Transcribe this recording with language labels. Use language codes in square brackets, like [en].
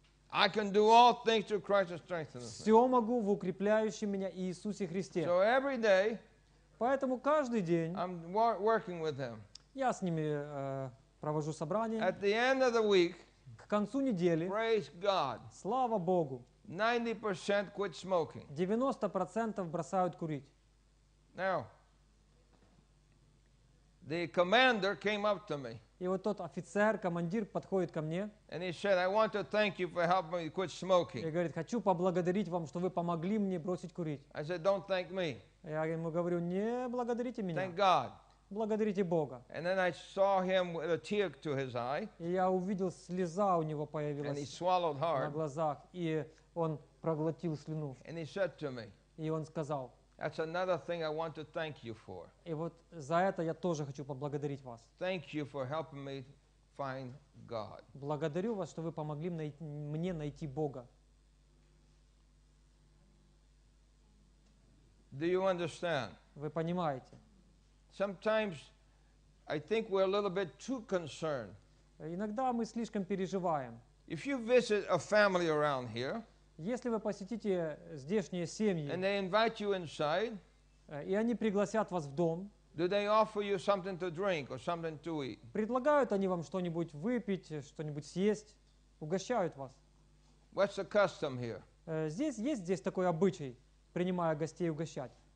[en] I can do all things through Christ that strengthens me. [ru] Все могу в укрепляющем меня Иисусе Христе. [en] So every day, [ru] поэтому каждый день, [en] I'm working with him. [ru] Я с ними провожу собрания. [en] At the end of the week, [ru] к концу недели, [en] praise God, [ru] слава Богу. [en] 90% quit smoking. [ru] 90% бросают курить. [en] Now, the commander came up to me. [ru] И вот тот офицер, командир подходит ко мне. [en] And he said, I want to thank you for helping me quit smoking. [ru] И говорит, хочу поблагодарить вам, что вы помогли мне бросить курить. [en] I said, don't thank me. [ru] Я ему говорю, не благодарите меня. [en] Thank God. [ru] Благодарите Бога. [en] And then I saw him with a tear to his eye. [ru] И я увидел, слеза у него появилась. [en] And he swallowed hard. [ru] На глазах. И он проглотил слюну. [en] And he said to me, [ru] и он сказал, [en] that's another thing I want to thank you for. [ru] И вот за это я тоже хочу поблагодарить вас. [en] Thank you for helping me find God. [ru] Благодарю вас, что вы помогли мне найти Бога. [en] Do you understand? [ru] Вы понимаете? [en] Sometimes I think we're a little bit too concerned. [ru] Иногда мы слишком переживаем. [en] If you visit a family around here, [ru] если вы посетите здешние семьи, [en] and they invite you inside, [ru] и они пригласят вас в дом, [en] do they offer you something to drink or something to eat? [ru] Предлагают они вам что-нибудь выпить, что-нибудь съесть, угощают вас. [en] What's the custom here? [ru] Здесь есть здесь такой обычай, принимая гостей, угощать.